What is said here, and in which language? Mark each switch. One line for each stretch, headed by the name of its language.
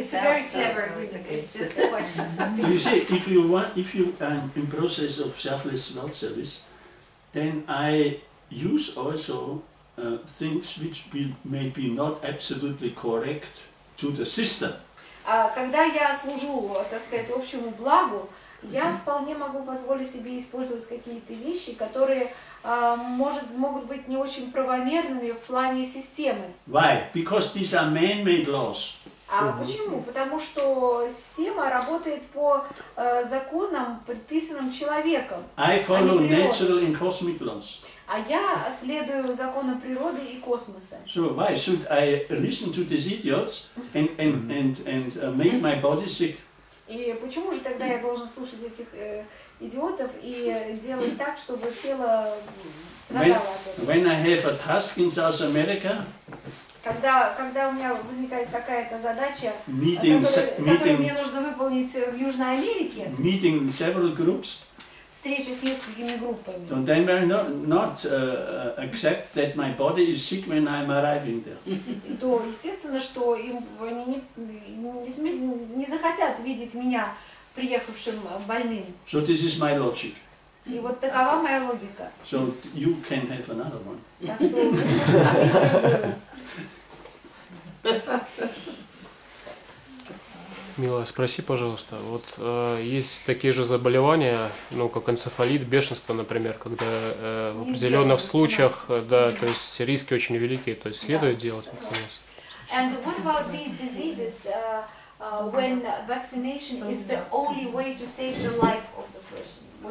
English: It's very clever. It's just a question. You see, if you are in process of selfless wealth service, then I use also things which may be not absolutely correct to the system.
Russian: Когда я служу, так сказать, общему благу, я вполне могу позволить себе использовать какие-то вещи, которые могут быть не очень правомерными в плане системы.
English: Why? Because these are man-made laws.
Russian: А почему? Потому что система работает по законам, предписанным человеком.
English: I follow natural and cosmic laws.
Russian: А я следую законам природы и космоса.
English: So why should I listen to these idiots and make my body sick?
Russian: И почему же тогда я должен слушать этих идиотов и делать так, чтобы тело страдало от этого?
English: When I have a task in South America.
Russian: Когда у меня возникает какая-то задача, которую мне нужно выполнить в Южной Америке.
English: Meeting several groups.
Russian: Встречи с несколькими группами.
English: Don't they not accept that my body is sick when I'm arriving there?
Russian: То, естественно, что им они не захотят видеть меня приехавшим больным.
English: So this is my logic.
Russian: И вот такова моя логика.
English: So you can have another one.
Russian: Милая, спроси, пожалуйста, вот есть такие же заболевания, ну, как энцефалит, бешенство, например, когда в определенных случаях, да, то есть риски очень велики, то есть следует делать вакцинацию.
English: And what about these diseases, when vaccination is the only way to save the life of the person.